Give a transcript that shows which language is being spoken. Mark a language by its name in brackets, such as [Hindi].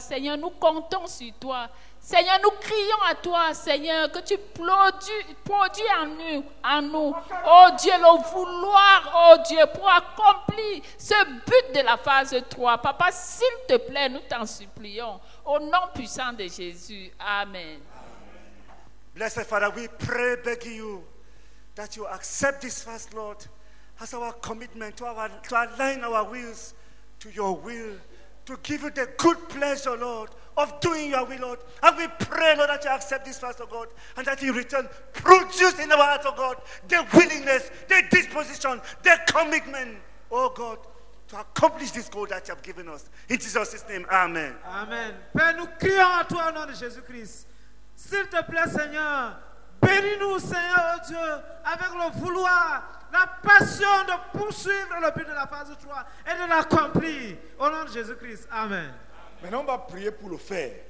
[French] Seigneur, nous comptons sur toi. Seigneur, nous crions à toi, Seigneur, que tu produis en nous, oh Dieu, le vouloir, oh Dieu, pour accomplir ce but de la phase 3. Papa, s'il te plaît, nous t'en supplions, au nom puissant de Jésus. Amen. [English] Blessed Father, we pray, beg you, that you accept this fast, Lord, as our commitment to align our wills to your will, to give you the good pleasure, Lord, of doing your will, Lord. And we pray, Lord, that you accept this fast, O God, and that in return, produce in our hearts, O God, the willingness, the disposition, the commitment, O God, to accomplish this goal that you have given us. In Jesus' name, amen. Amen. [French] Père, nous crions à toi, au nom de Jésus-Christ. S'il te plaît, Seigneur, bénis-nous, Seigneur, oh Dieu, avec le vouloir, la passion de poursuivre le but de la phase 3 et de l'accomplir. Au nom de Jésus-Christ. Amen. Maintenant, on va prier pour le faire.